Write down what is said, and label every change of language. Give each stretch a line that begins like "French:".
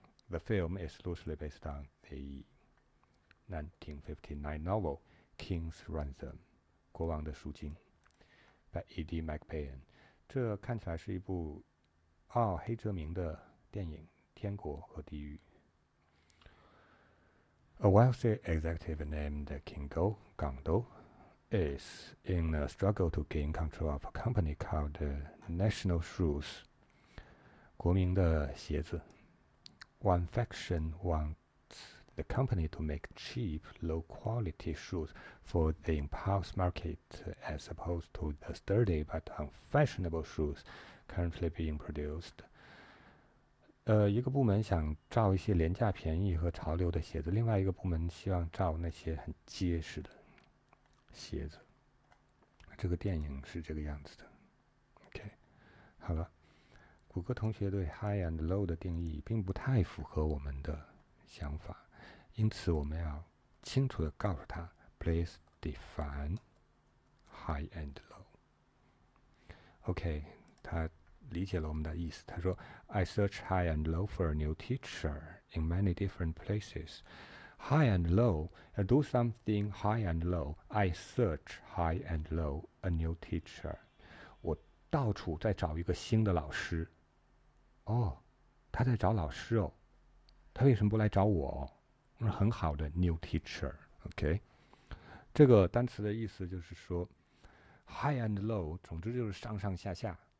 English: The film is loosely based on the 1959 novel King's Ransom,
Chinese: 国王的赎金,
English: by E.D. McPain.
Chinese: 这看起来是一部奥黑泽明的电影《天国和地狱》。
English: A wealthy executive named Kingo Gando is in a struggle to gain control of a company called National Shoes,
Chinese: 国民的鞋子。
English: One faction wants the company to make cheap, low-quality shoes for the impulse market as opposed to the sturdy but unfashionable shoes currently being produced.
Chinese: 一个部门想造一些廉价便宜和潮流的鞋子，另外一个部门希望造那些很结实的鞋子。这个电影是这个样子的。 OK， 好了，谷歌同学对 high and low 的定义并不太符合我们的想法，因此我们要清楚地告诉他 ，
English: please define high and low。 OK，
Chinese: 他。理解了我们的意思。他说
English: ，I search high and low for a new teacher in many different places. High and low, I do something high and low. I search high and low a new teacher.
Chinese: 我到处在找一个新的老师。哦，他在找老师哦。他为什么不来找我？我是很好的
English: new teacher.
Chinese: OK， 这个单词的意思就是说 ，high and low， 总之就是上上下下。